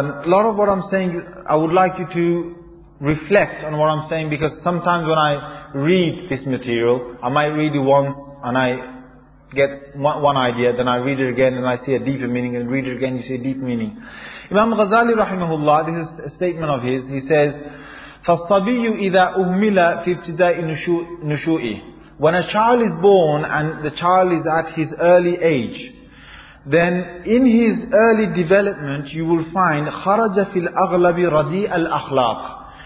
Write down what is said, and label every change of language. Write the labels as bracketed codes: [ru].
[en] And a lot of what I'm saying, I would like you to reflect on what I'm saying, because sometimes when I read this material, I might read it once and I get one idea, then I read it again and I see a deeper meaning, and read it again, you see a deep meaning. Imam Ghazali rahimahullah, this is a statement of his. He says, [ar] فَالصَّبِيُّ إِذَا أُهْمِلَ فِي ابْتِدَاءِ نُشُوءِ. [en] When a child is born and the child is at his early age, then in his early development you will find [ar] خَرَجَ فِي الْأَغْلَبِ رَدِيءَ الْأَخْلَاقِ.